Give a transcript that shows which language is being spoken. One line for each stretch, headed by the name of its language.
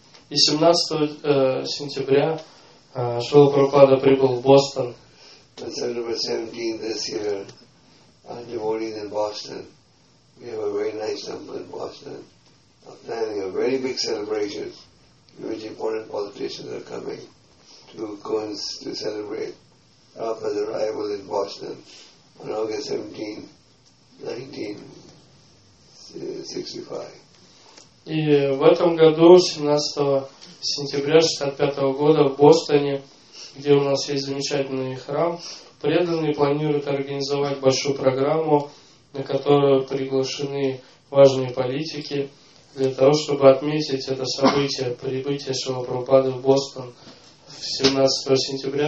Russian: И 17 сентября Шрила Прабхупада прибыл в Бостон.
English: On September 17th this year, our devotees in Boston. We have a very nice temple in Boston. We're planning a very big celebration in which important politicians are coming to celebrate Prabhupada's arrival in Boston on August 17, 1965.
Russian: И в этом году, 17 сентября 65 года в Бостоне, где у нас есть замечательный храм, преданные планируют организовать большую программу, на которую приглашены важные политики, для того, чтобы отметить это событие, прибытие Шрила Прабхупады в Бостон 17 сентября